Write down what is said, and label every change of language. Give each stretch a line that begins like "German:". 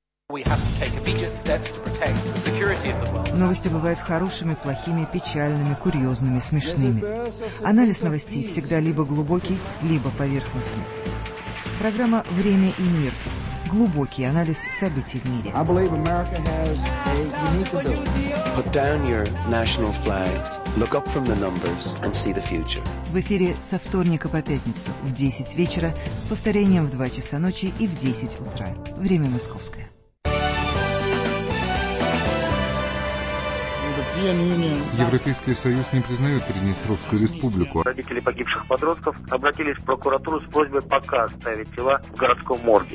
Russian: Новости бывают хорошими, плохими, печальными, курьезными, смешными. Анализ новостей всегда либо глубокий, либо поверхностный. Программа «Время и мир». Глубокий анализ событий в мире.
English: Put down your national flags, look up from the numbers and see the future.
Russian: В эфире со вторника по пятницу в 10 вечера с повторением в 2 часа ночи и в 10 утра. Время московское. Европейский союз не признает Приднестровскую республику. Родители погибших подростков обратились в прокуратуру с просьбой пока оставить тела в городском морге.